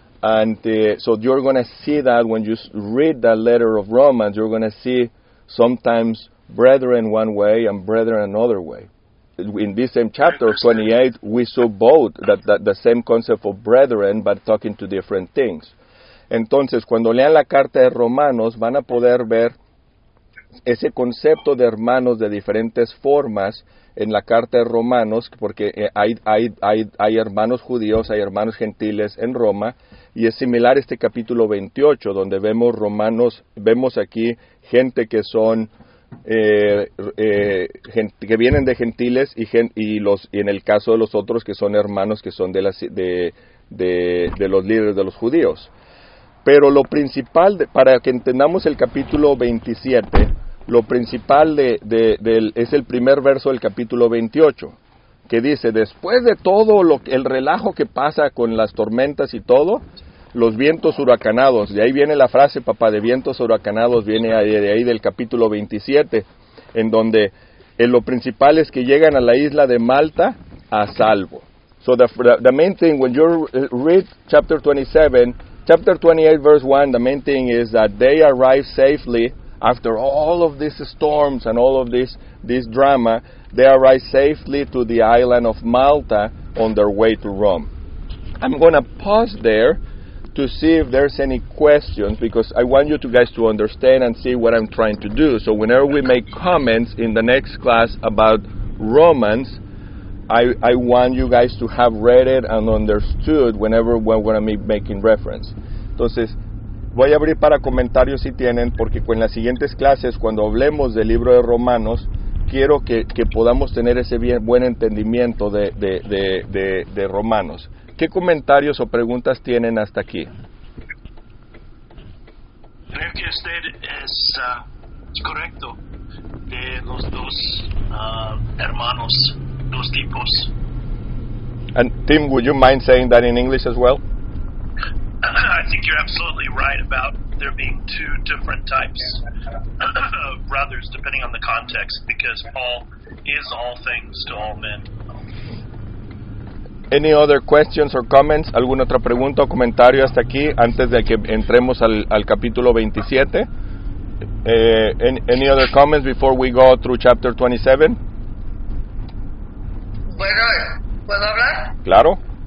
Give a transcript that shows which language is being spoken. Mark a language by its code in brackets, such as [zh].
[en] And so you're going to see that when you read that letter of Romans, you're going to see sometimes brethren one way and brethren another way. In this same chapter, 28, we saw both, that the same concept of brethren, but talking to different things. [es] Entonces, cuando lean la carta de Romanos, van a poder ver ese concepto de hermanos de diferentes formas en la carta de Romanos, porque hay hermanos judíos, hay hermanos gentiles en Roma, y es similar a este capítulo 28, donde vemos romanos, vemos aquí gente que son gente que vienen de gentiles y en el caso de los otros que son hermanos que son de los líderes de los judíos. Pero lo principal, para que entendamos el capítulo 27, lo principal es el primer verso del capítulo 28, que dice, después de todo el relajo que pasa con las tormentas y todo, los vientos huracanados, de ahí viene la frase, papá, de vientos huracanados, viene de ahí del capítulo 27, en donde lo principal es que llegan a la isla de Malta a salvo. [en] So the main thing, when you read chapter 27, Chapter 28, verse 1, the main thing is that they arrive safely after all of these storms and all of this drama. They arrive safely to the island of Malta on their way to Rome. I'm going to pause there to see if there's any questions, because I want you guys to understand and see what I'm trying to do. So whenever we make comments in the next class about Romans, I want you guys to have read it and understood whenever we're going to be making reference. [es] Entonces, voy a abrir para comentarios si tienen, porque con las siguientes clases, cuando hablemos del libro de Romanos, quiero que podamos tener ese bien, buen entendimiento de Romanos. ¿Qué comentarios o preguntas tienen hasta aquí? Creo que usted es correcto de los dos hermanos, dos tipos. [en] And Tim, would you mind saying that in English as well? I think you're absolutely right about there being two different types of brothers, depending on the context, because Paul is all things to all men. Any other questions or comments? [es] ¿Alguna otra pregunta o comentario hasta aquí antes de que entremos al capítulo 27? [en] Any other comments before we go through chapter 27? [es] Bueno, ¿puedo hablar? Claro.